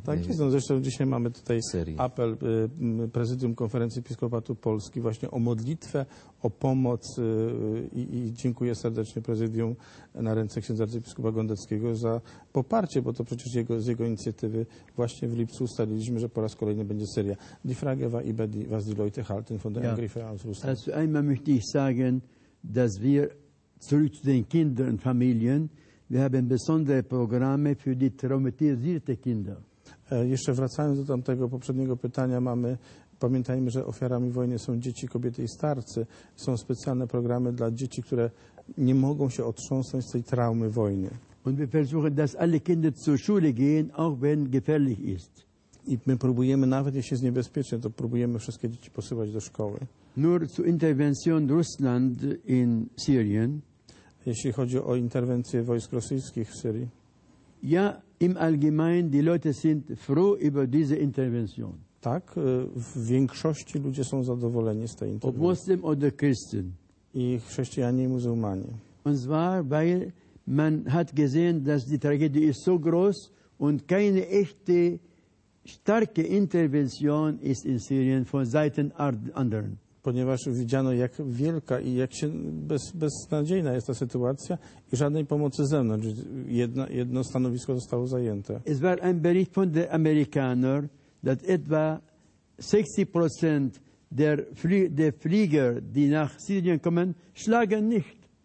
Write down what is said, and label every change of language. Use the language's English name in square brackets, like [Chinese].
[Polish] Tak jest, no zresztą dzisiaj mamy tutaj apel Prezydium Konferencji Episkopatu Polski właśnie o modlitwę, o pomoc i dziękuję serdecznie Prezydium na ręce księdza arcybiskupa Gądeckiego za poparcie, bo to przecież z jego inicjatywy właśnie w lipcu ustaliliśmy, że po raz kolejny będzie Syria. [German] Die Frage war über die, was die Leute halten von der Angriffe aus Russland. Also einmal möchte ich sagen, dass wir zurück zu den Kindern und Familien, wir haben besondere Programme für die traumatisierte Kinder. [Polish] Jeszcze wracając do tamtego poprzedniego pytania, mamy, pamiętajmy, że ofiarami wojny są dzieci, kobiety i starcy. Są specjalne programy dla dzieci, które nie mogą się otrząsnąć z tej traumy wojny. [German] Und wir versuchen, dass alle Kinder zur Schule gehen, auch wenn gefährlich ist. [Polish] I my próbujemy, nawet jeśli jest niebezpiecznie, to próbujemy wszystkie dzieci posyłać do szkoły. [German] Nur zu Intervention Russland in Syrien. [Polish] Jeśli chodzi o interwencję wojsk rosyjskich w Syrii. [German] Ja im Allgemeinen, die Leute sind froh über diese Intervention. [Polish] Tak, w większości ludzie są zadowoleni z tej interwencji. [German] Ob Muslim oder Christen. [Polish] I chrześcijanie i muzułmanie. [German] Und zwar, weil man hat gesehen, dass die Tragödie ist so groß und keine echte starke Intervention ist in Syrien von Seiten anderen. [Polish] Ponieważ widziano, jak wielka i jak się beznadziejna jest ta sytuacja i żadnej pomocy zewnątrz. Jedno stanowisko zostało zajęte. [German] Es war ein Bericht von der Amerikaner, dass etwa 60% der Flieger, die nach Syrien kommen, schlagen nicht.